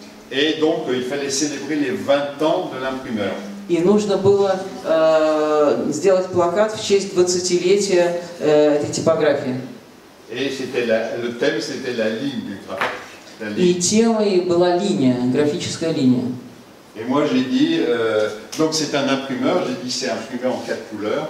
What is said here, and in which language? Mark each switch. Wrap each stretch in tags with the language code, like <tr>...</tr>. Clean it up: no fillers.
<fr>Et donc, il fallait célébrer les 20 ans de l'imprimeur.</fr> <ru>И нужно было сделать плакат в честь 20-летия этой типографии.</ru> <fr>Et c'était le thème, c'était la ligne du</fr> <ru>И темой была линия, графическая линия.</ru> <fr>Et moi j'ai dit, donc c'est un imprimeur, j'ai dit c'est imprimé en quatre couleurs,</fr>